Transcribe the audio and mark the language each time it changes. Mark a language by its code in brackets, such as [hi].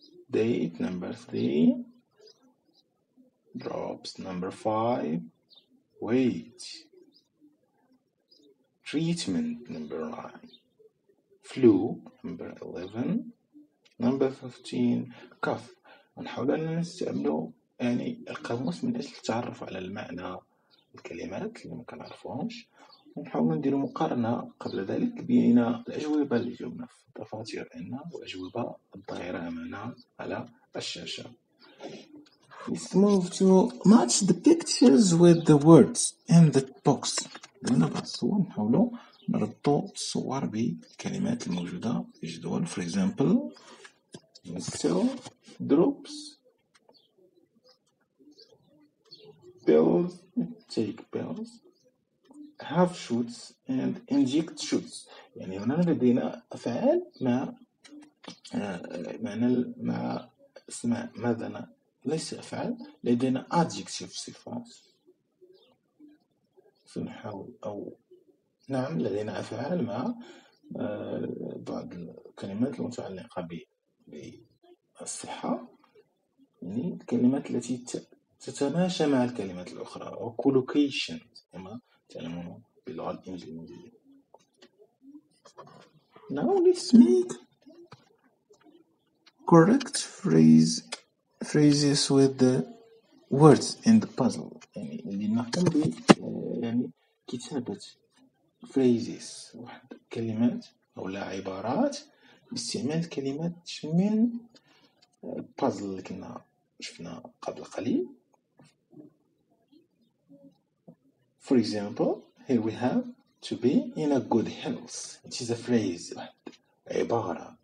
[en] Date, number 3, drops. Number 5, weight. Treatment, number 9, flu, number 11, number 15, cough. [ar] ونحاول أن نستعملوا يعني القاموس من أجل التعرف على المعنى الكلمات اللي ما كنعرفوهمش، ونحاول نديروا مقارنة قبل ذلك بين الأجوبة اللي جاوبنا في الدفاتر عندنا والأجوبة الظاهرة أمامنا على الشاشة. [en] Let's move to match the pictures with the words in the box. [ar] نحاولوا نربطوا الصور بالكلمات الموجودة في الجدول. [en] For example, missile, drops, pills, take pills, have shoots and inject shoots. [ar] يعني هنا لدينا أفعال مع معنى مع اسماء ماذا نا ليس أفعال، لدينا adjective صفات. سنحاول أو نعم لدينا أفعال مع بعض الكلمات المتعلقة بالصحة، يعني الكلمات التي تتماشى مع الكلمات الأخرى أو collocation كما تعلمون باللغة الإنجليزية. [en] Now let's make correct phrases with the words in the puzzle. [ar] يعني اللي نقوم ب يعني كتابة phrases واحد كلمات أو لا عبارات باستعمال كلمات من البازل اللي كنا شفنا قبل قليل. [en] For example, here we have to be in a good health. It is a phrase, [ar] واحد عبارة.